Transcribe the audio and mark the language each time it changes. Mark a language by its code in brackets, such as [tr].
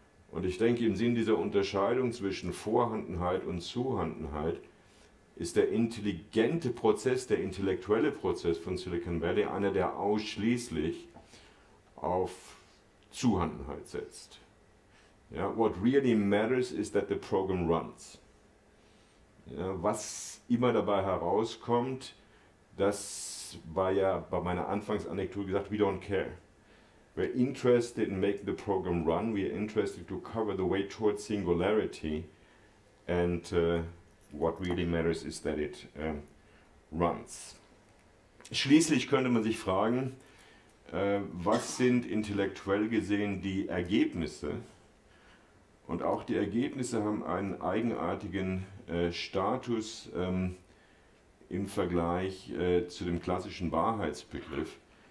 [de] Und ich denke, im Sinn dieser Unterscheidung zwischen Vorhandenheit und Zuhandenheit ist der intelligente Prozess, der intellektuelle Prozess von Silicon Valley einer, der ausschließlich auf Zuhandenheit setzt. Ja, [en] what really matters is that the program runs. [de] Ja, was immer dabei herauskommt, das war ja bei meiner Anfangsanekdote gesagt, [en] we don't care. We're interested in making the program run, we're interested to cover the way towards singularity and what really matters is that it runs. [de] Schließlich könnte man sich fragen, was sind intellektuell gesehen die Ergebnisse? Und auch die Ergebnisse haben einen eigenartigen Status im Vergleich zu dem klassischen Wahrheitsbegriff.